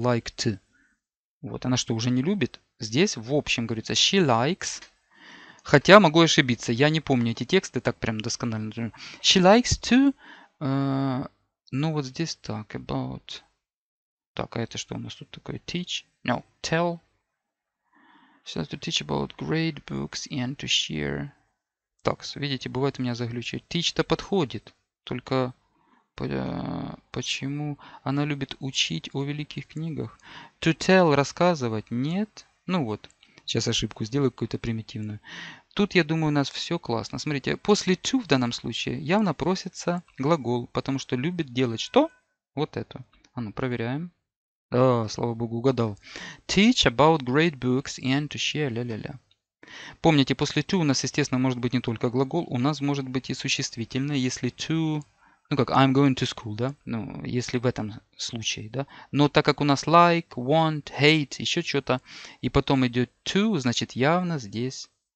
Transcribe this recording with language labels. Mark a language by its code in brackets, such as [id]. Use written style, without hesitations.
[ru] Liked. Вот. Она что, уже не любит? Здесь, в общем, говорится, [en] she likes... [ru] Хотя могу ошибиться. Я не помню эти тексты так прям досконально. [en] She likes to... [ru] ну вот здесь так. [en] About... [ru] Так, а это что у нас тут такое? [en] Teach? No, tell. She likes to teach about great books and to share. [ru] Так, видите, бывает у меня заглючие. Teach-то подходит. Только почему она любит учить о великих книгах? [en] To tell, [ru] рассказывать? Нет. Ну вот, сейчас ошибку сделаю какую-то примитивную. Тут, я думаю, у нас все классно. Смотрите, после to в данном случае явно просится глагол, потому что любит делать что? Вот это. А ну, проверяем. А, слава богу, угадал. [en] Teach about great books and to share, ля-ля-ля. [ru] Помните, после to у нас, естественно, может быть не только глагол, у нас может быть и существительное, если to... Ну, как [en] I'm going to school, [ru] да? Ну, если в этом случае, да? Но так как у нас like, want, hate, еще что-то, и потом идет to, значит, явно здесь...